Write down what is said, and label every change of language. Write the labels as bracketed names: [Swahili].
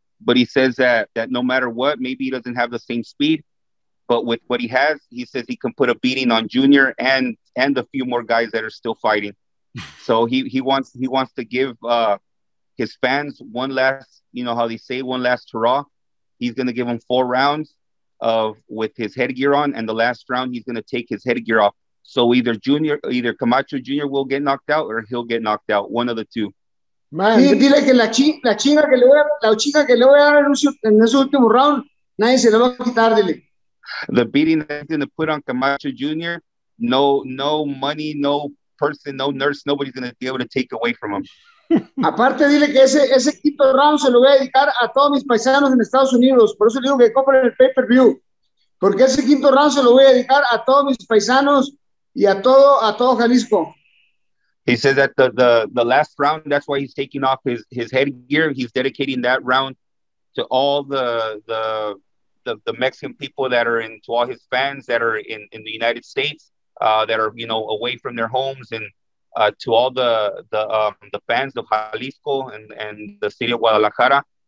[English] But he says that no matter what, maybe he doesn't have the same speed, but with what he has, he says he can put a beating on Junior and a few more guys that are still fighting. So he wants to give his fans one last, you know how they say, one last hurrah. He's going to give them 4 rounds of with his headgear on, and the last round he's going to take his headgear off. So either Camacho Jr. will get knocked out, or he'll get knocked out. One of the two. [Spanish] Man, sí, dile que la chinga que le voy a dar en ese último round, nadie se lo va a quitar, dile. [English] The beating that's going to put on Camacho Jr., no money, no person, no nurse, nobody's going to be able to take away from him. [Spanish] Aparte, dile que ese quinto round se lo voy a dedicar a todos mis paisanos en Estados Unidos. Por eso digo que compren el pay-per-view. Porque ese quinto round se lo voy a dedicar a todos mis paisanos y a todo Jalisco. [English] He says that the last round, that's why he's taking off his headgear. He's dedicating that round to all the Mexican people that are in, to all his fans that are in the United States, that are, you know, away from their homes, and to all the fans of Jalisco and the city of Guadalajara.